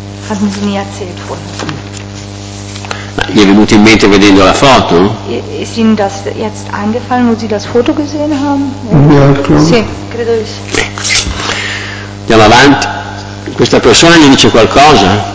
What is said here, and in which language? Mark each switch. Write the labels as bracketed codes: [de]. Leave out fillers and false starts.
[de] Hatten Sie nie erzählt vorher? [it] Mi è venuto in mente vedendo la foto? [de] Ist Ihnen das jetzt eingefallen, wo Sie das Foto gesehen haben? Ja, klar. [it] Sì, credo di sì. Andiamo avanti. Questa persona gli dice qualcosa?